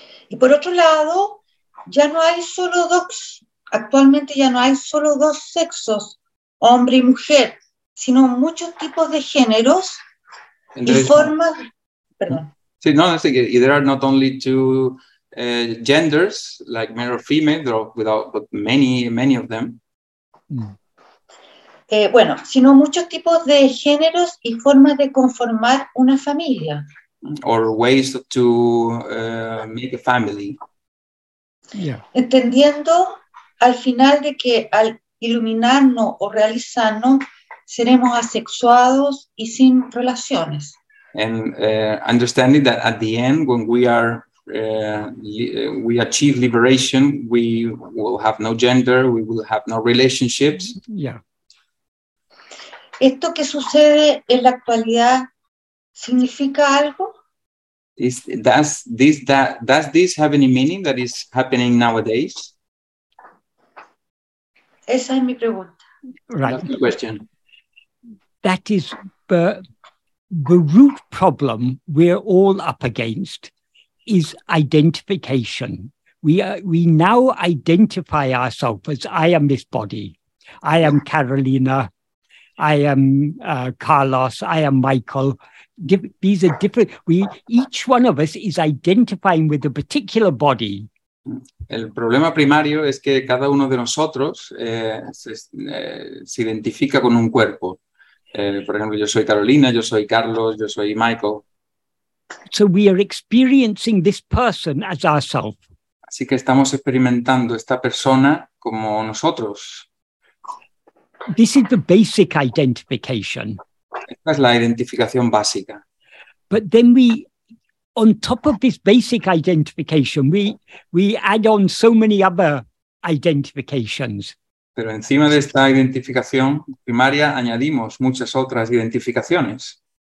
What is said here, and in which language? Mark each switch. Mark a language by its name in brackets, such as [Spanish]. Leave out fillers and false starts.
[Spanish] Y por otro lado, ya no hay solo dos, actualmente ya no hay solo dos sexos, hombre y mujer, sino muchos tipos de géneros y formas. Perdón. Sí, no, no sé, y [English] there are not only two genders, like male or female, but many, many of them. [Spanish] Bueno, sino muchos tipos de géneros y formas de conformar una familia. [English] Or ways to make a family. Yeah. [Spanish] Entendiendo al final de que al iluminarnos o realizarnos seremos asexuados y sin relaciones. [English] And understanding that at the end, when we are we achieve liberation, we will have no gender, we will have no relationships. Yeah. [Spanish] Esto que sucede en la actualidad significa algo. [English] Does this have any meaning that is happening nowadays? [Spanish] Esa es mi pregunta. [English] Right. That's my question. That is the root problem we're all up against is identification. We now identify ourselves as I am this body. I am Carolina. I am Carlos, I am Michael. These are different. Each one of us is identifying with a particular body. [Spanish] El problema primario es que cada uno de nosotros se identifica con un cuerpo. Por ejemplo, yo soy Carolina, yo soy Carlos, yo soy Michael. [English] So we are experiencing this person as ourselves. [Spanish] Así que estamos experimentando esta persona como nosotros. [English] This is the basic identification. [Spanish] Esta es la identificación básica. [English] But then we, on top of this basic identification, we add on so many other identifications. [Spanish] Pero encima de esta identificación primaria añadimos muchas otras identificaciones.